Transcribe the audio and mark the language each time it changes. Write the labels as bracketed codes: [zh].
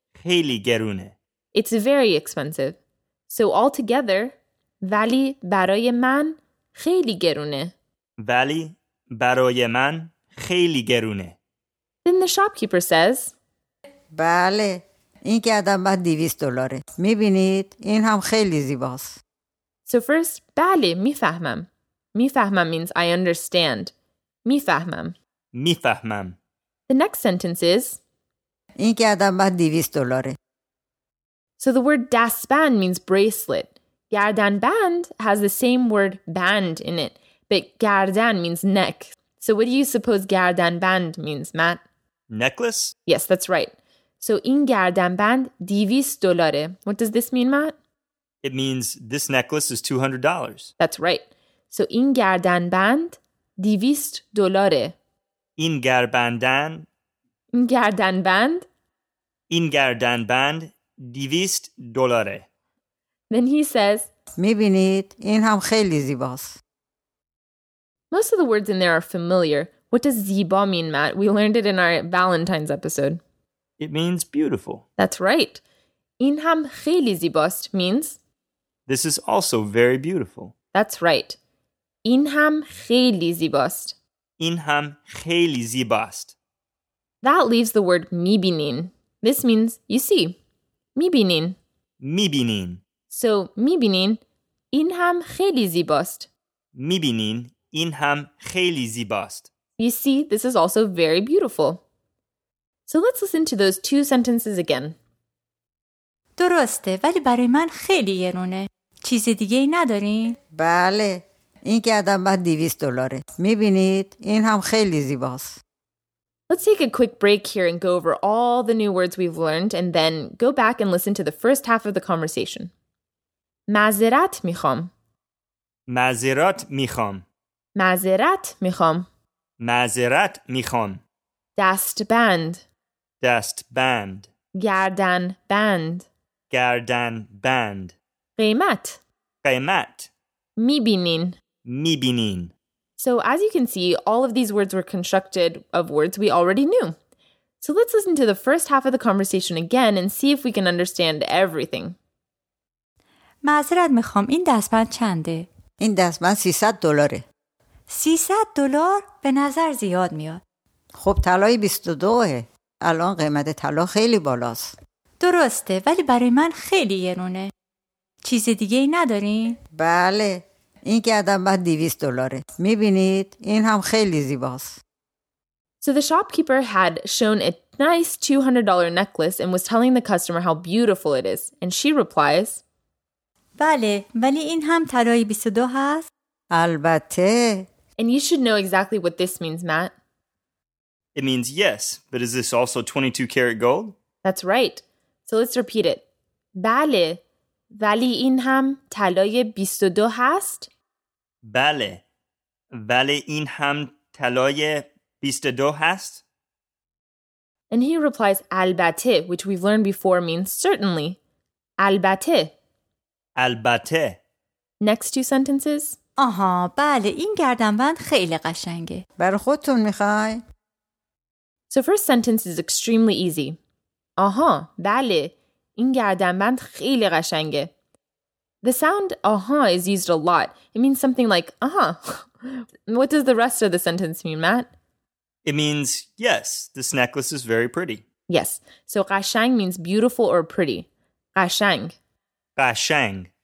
[fa] Kheli gerune. [en] It's very expensive. So, altogether, [fa] vali baraye man kheli gerune. ولی برای من خیلی گرونه. [en] Then the shopkeeper says, [fa] بله، این گردن بعد 200 دلاره. میبینید؟ این هم خیلی زیباست. [en] So first, [fa] بله، میفهمم. [en] میفهمم means I understand. [fa] میفهمم. میفهمم. [en] The next sentence is, [fa] این گردن بعد 200 دلاره. [en] So the word دستبند means bracelet. گردن بند has the same word band in it, but گردن means neck. So what do you suppose [fa] گردن بند [en] means, Matt? Necklace? Yes, that's right. [fa] So این گردن بند 200 دلاره. [en] What does this mean, Matt? It means this necklace is $200. That's right. [fa] So این گردن بند 200 دلاره. این گردن In گردن بند این گردن بند 200 دلاره. [en] Then he says, [fa] می‌بینید این هم خیلی زیباست. [en] Most of the words in there are familiar. What does زیبا mean, Matt? We learned it in our Valentine's episode. It means beautiful. That's right. [fa] این هم خیلی زیباست [en] means This is also very beautiful. That's right. [fa] این هم خیلی زیباست. این هم خیلی زیباست. [en] That leaves the word میبینین. This means you see. میبینین. میبینین. [fa] So میبینین این هم خیلی زیباست. میبینین این هم خیلی زیباست. [en] You see, this is also very beautiful. So let's listen to those two sentences again. [fa] درسته ولی برای من خیلی گرونه. چیز دیگه ای ندارین؟ بله. این گردن بند 200 دلاره. میبینید این هم خیلی زیباست. [en] Let's take a quick break here and go over all the new words we've learned and then go back and listen to the first half of the conversation. [fa] معذرت میخوام. معذرت میخوام. معذرت میخوام. معذرت میخوام. دست بند. دست بند. گردن بند. گردن بند. قیمت. قیمت. میبینین. میبینین. [en] So as you can see, all of these words were constructed of words we already knew. So let's listen to the first half of the conversation again and see if we can understand everything. [fa] معذرت میخوام این دستبند چنده؟ این دستبند 300 دلاره. 300 دلار به نظر زیاد میاد. خب طلای 22ه. الان قیمت طلا خیلی بالاست. درسته ولی برای من خیلی گرونه. چیز دیگه ای ندارین؟ بله. این گردن بند 200 دلاره. میبینید این هم خیلی زیباست. [en] So the shopkeeper had shown a nice $200 necklace and was telling the customer how beautiful it is. And she replies, [fa] بله ولی این هم طلای 22 هست؟ البته. [en] And you should know exactly what this means, Matt. It means yes, but is this also 22 karat gold? That's right. So let's repeat it. [fa] بله ولی این هم طلای 22 هست؟ بله ولی این هم طلای 22 هست؟ [en] And he replies البته, which we've learned before means certainly. [fa] البته. البته. [en] Next two sentences. [fa] آها بله این گردنبند خیلی قشنگه. بر خودتون میخوای؟ [en] So first sentence is extremely easy. [fa] آها بله این گردنبند خیلی قشنگه. [en] The sound آها is used a lot. It means something like آها. What does the rest of the sentence mean, Matt? It means yes, this necklace is very pretty. Yes. So قشنگ means beautiful or pretty. [fa] قشنگ. قشنگ.